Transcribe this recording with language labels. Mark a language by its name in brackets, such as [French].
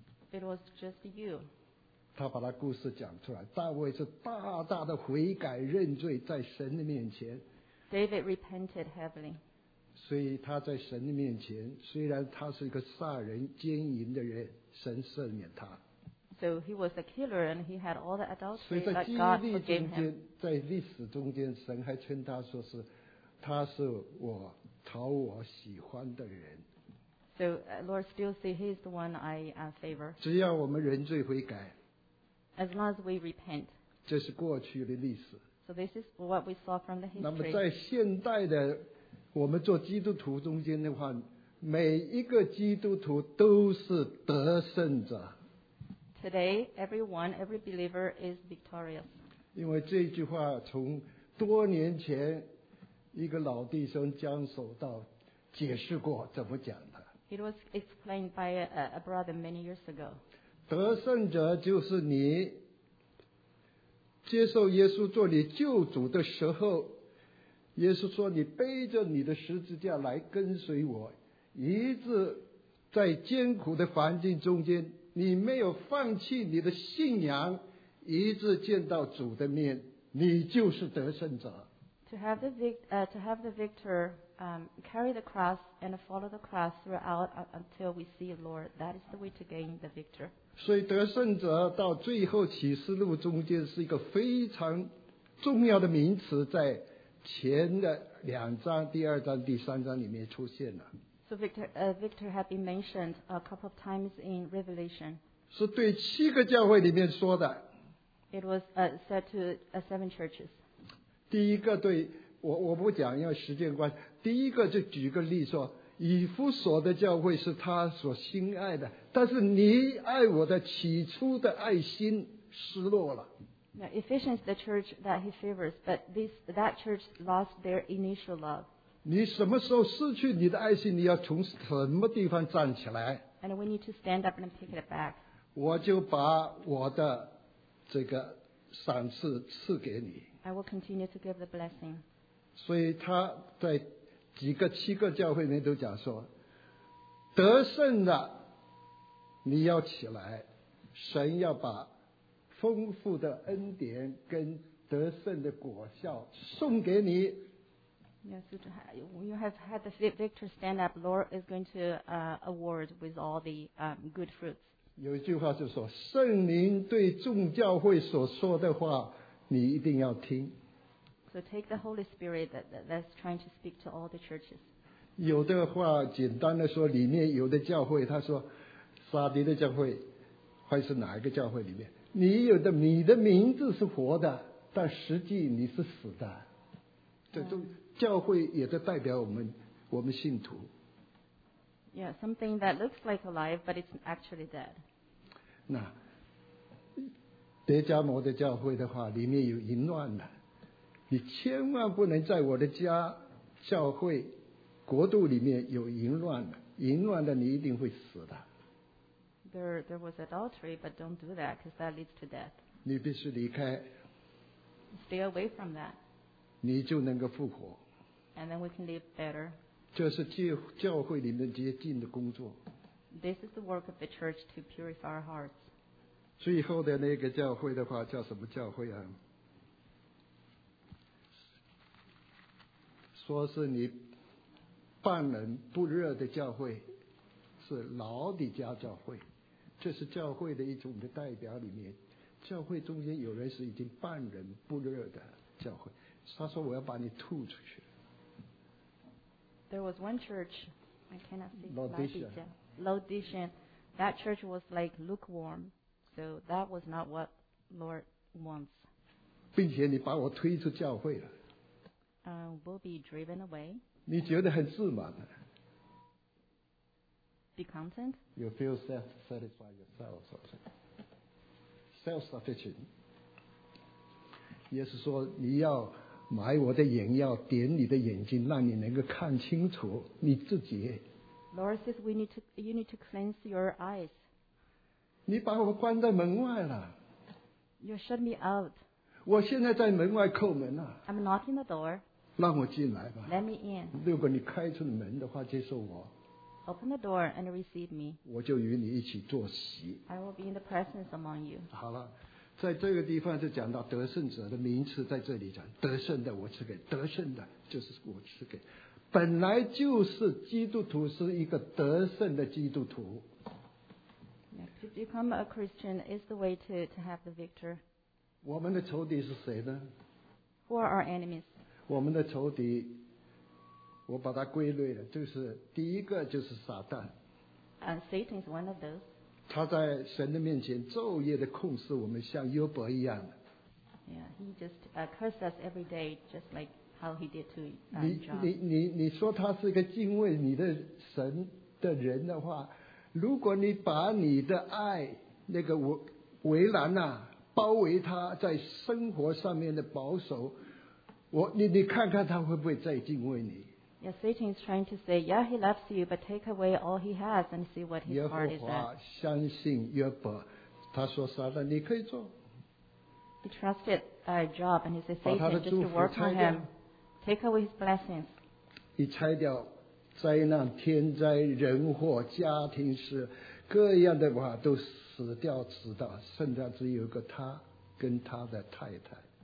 [English] It was just you. [Chinese] 他把他故事讲出来，大卫是大大的悔改认罪在神的面前。 [English] David repented heavily. [Chinese] 所以他在神的面前，虽然他是一个杀人奸淫的人，神赦免他。 [English] So he was a killer and he had all the adultery that God forgave him. [Chinese] 在历史中间，神还称他说是他是我讨我喜欢的人。 [English] So Lord still say he's the one I favor. [Chinese] 只要我们认罪悔改。 [English] As long as we repent. [Chinese] 这是过去的历史。 [English] So this is what we saw from the history. [Chinese] 那么在现代的我们做基督徒中间的话，每一个基督徒都是得胜者。 [English] Today, everyone, every believer is victorious. [Chinese] 因为这句话从多年前一个老弟兄江守道解释过怎么讲的。 [English] It was explained by a brother many years ago. [Chinese] 得胜者就是你接受耶稣做你救主的时候，耶稣说你背着你的十字架来跟随我，一直在艰苦的环境中间，你没有放弃你的信仰，一直见到主的面，你就是得胜者。 [English] To have the victor, carry the cross and follow the cross throughout until we see the Lord. That is the way to gain the victor. [Chinese] 所以得胜者到最后启示录中间是一个非常重要的名词，在前的两章、第二章、第三章里面出现了。 [English] So victor had been mentioned a couple of times in Revelation. [Chinese] 是对七个教会里面说的。 [English] It was said to seven churches. [Chinese] 第一个对 我不讲，因为时间关系。第一个就举个例说，以弗所的教会是他所心爱的，但是你爱我的起初的爱心失落了。 [English] Now, Ephesians, the church that he favors, but that church lost their initial love. [Chinese] 你什么时候失去你的爱心，你要从什么地方站起来。 [English] And we need to stand up and pick it back. [Chinese] 我就把我的这个赏赐赐给你。 [English] I will continue to give the blessing. [Chinese] 所以他在几个七个教会里面都讲说，得胜的你要起来，神要把丰富的恩典跟得胜的果效送给你。 [English] Yes, you have had the victor stand up. Lord is going to award with all the good fruits. [Chinese] 有一句话就说，圣灵对众教会所说的话你一定要听。 [English] So take the Holy Spirit that's trying to speak to all the churches. [Chinese] 有的话简单的说，里面有的教会他说，撒迪的教会，还是哪一个教会里面，你有的你的名字是活的，但实际你是死的。这种教会也在代表我们信徒。 [English] Yeah, something that looks like alive, but it's actually dead. 那。 [Chinese] 别加摩的教会的话，里面有淫乱的，你千万不能在我的家教会国度里面有淫乱的，淫乱的你一定会死的。 [English] There was adultery, but don't do that, because that leads to death. [Chinese] 你必须离开。 [English] Stay away from that. [Chinese] 你就能够复活。 [English] And then we can live better. [Chinese] 这是教会里面洁净的工作。 [English] This is the work of the church to purify our hearts. [Chinese] 最后的那个教会的话叫什么教会啊？说是你半冷不热的教会，是老底家教会，这是教会的一种的代表。里面教会中间有人是已经半冷不热的教会，他说我要把你吐出去。 [English] There was one church I cannot see. Laodicea. That church was like lukewarm. So that was not what Lord wants. [Chinese] 并且你把我推出教会了。 [English] We'll be driven away. [Chinese] 你觉得很自满的。 [English] Be content. You feel self-satisfied yourself, something. Self-sufficient. [Chinese] 耶稣说你要买我的眼药，点你的眼睛，让你能够看清楚你自己。 [English] Lord says you need to cleanse your eyes. [Chinese] 你把我关在门外了。 [English] You shut me out. [Chinese] 我现在在门外叩门啊。 [English] I'm knocking the door. [Chinese] 让我进来吧。 [English] Let me in. [Chinese] 如果你开出门的话，接受我。 [English] Open the door and receive me. [Chinese] 我就与你一起坐席。 [English] I will be in the presence among you. [Chinese] 好了，在这个地方就讲到得胜者的名次，在这里讲得胜的我赐给，得胜的就是我赐给。本来就是基督徒是一个得胜的基督徒。 [English] To become a Christian is the way to have the victory. [Chinese] 我们的仇敌是谁呢？ [English] Who are our enemies? [Chinese] 我们的仇敌，我把它归类了，就是第一个就是撒旦。 [English] Satan is one of those. [Chinese] 他在神的面前昼夜的控诉我们，像约伯一样的。 [English] Yeah, he just curses us every day, just like how he did to John. [Chinese] 你说他是一个敬畏你的神的人的话。如果你把你的爱那个围栏啊包围他在生活上面的保守，你看看他会不会再敬畏你。 [English] Yeah, Satan is trying to say, yeah, he loves you, but take away all he has and see what his heart is at. [Chinese] 耶和华相信约伯，他说撒旦你可以做。 [English] He trusted a job and he said, Satan, just to work for him, take away his blessings. [Chinese] 你拆掉灾难、天灾、人祸、家庭事，各样的话都死掉，死到剩下只有一个他跟他的太太。